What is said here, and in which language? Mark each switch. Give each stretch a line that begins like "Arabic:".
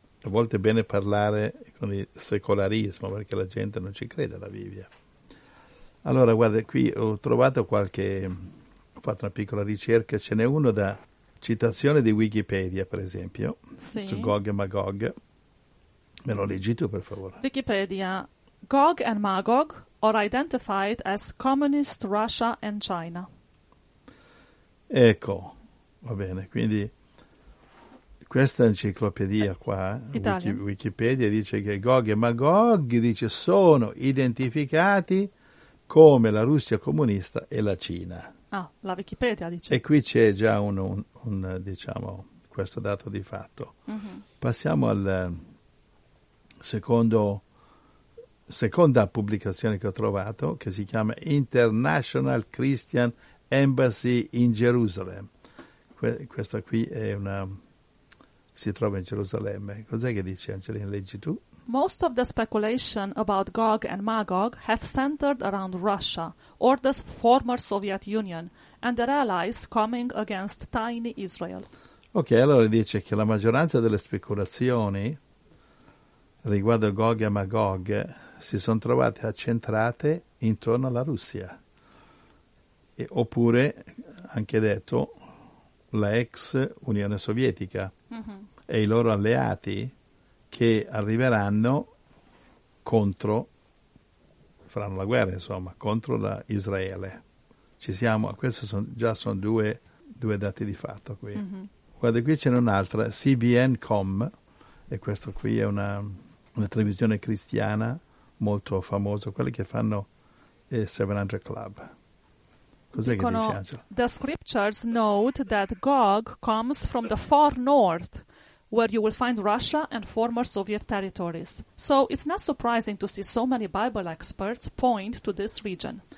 Italian: A volte è bene parlare con il secolarismo perché la gente non ci crede alla Bibbia. Allora, guarda, qui ho trovato qualche... ho fatto una piccola ricerca, ce n'è uno da citazione di Wikipedia, per esempio, sì. Su Gog e Magog. Me lo leggi tu, per favore? Wikipedia.
English: Gog and Magog are identified as communist Russia and China.
Italian: Ecco, va bene, quindi questa enciclopedia qua, Wikipedia, dice che Gog e Magog, dice, sono identificati come la Russia comunista e la Cina. Ah, la Wikipedia dice. E qui c'è già un diciamo, questo dato di fatto. Mm-hmm. Passiamo al seconda pubblicazione che ho trovato, che si chiama International Christian Embassy in Jerusalem. Questa qui è una... si trova in Gerusalemme. Cos'è che dice, Angelina? Leggi tu.
English: Most of the speculation about Gog and Magog has centered around Russia, or the former Soviet Union, and their allies coming against tiny Israel.
Italian: Ok, allora dice che la maggioranza delle speculazioni riguardo Gog e Magog si sono trovate accentrate intorno alla Russia, oppure, anche detto, la ex Unione Sovietica, mm-hmm, e i loro alleati, che arriveranno contro, faranno la guerra, insomma, contro la Israele. Ci siamo, questi sono già due dati di fatto qui. Mm-hmm. Guarda, qui c'è un'altra, CBN.com, e questo qui è una televisione cristiana molto famosa, quelli che fanno il 700 Club. Cos'è, dicono, che dice, Angela?
English: The scriptures note that Gog comes from the far north, where you will find Russia and former Soviet territories. So it's not surprising to see so many Bible experts point to this region.